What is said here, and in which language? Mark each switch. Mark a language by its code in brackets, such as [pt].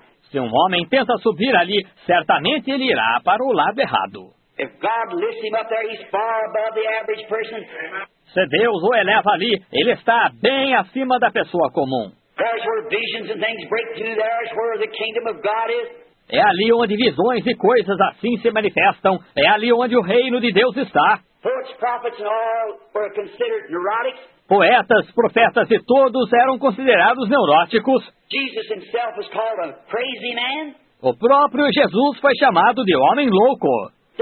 [pt] Se um homem tenta subir ali, certamente ele irá para o lado errado. [en] If God lifts him up there, he's far above the average person. [pt] Se Deus o eleva ali, ele está bem acima da pessoa comum. [en] There's where visions and things break through. There's where the kingdom of God is. [pt] É ali onde visões e coisas assim se manifestam. É ali onde o reino de Deus está. [en] Poets, prophets, and all were considered neurotics. [pt] Poetas, profetas e todos eram considerados neuróticos. [en] Jesus himself was called a crazy man. [pt] O próprio Jesus foi chamado de homem louco.